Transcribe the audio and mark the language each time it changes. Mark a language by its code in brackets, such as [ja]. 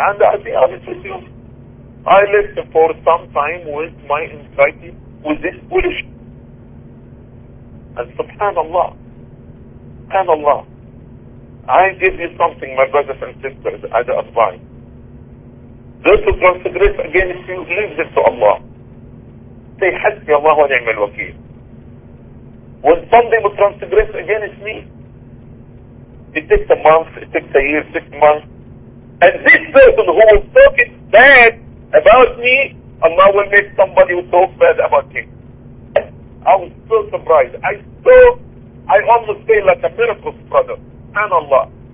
[en] And I'll be honest with you, I lived for some time with my anxiety with this foolish. And subhanAllah. Allah, I give you something, my brothers and sisters, as an advice. Those who transgress against you, leave this to Allah. Say, [ar] حَسْبِي اللَّهُ وَنِعْمَ الْوَكِيلُ. [en] When somebody will transgress against me, it takes a month, it takes a year, 6 months. And this person who will talk bad about me, Allah will make somebody who talk bad about me. I was so surprised. I almost say like a miracle, brother. Subhanallah.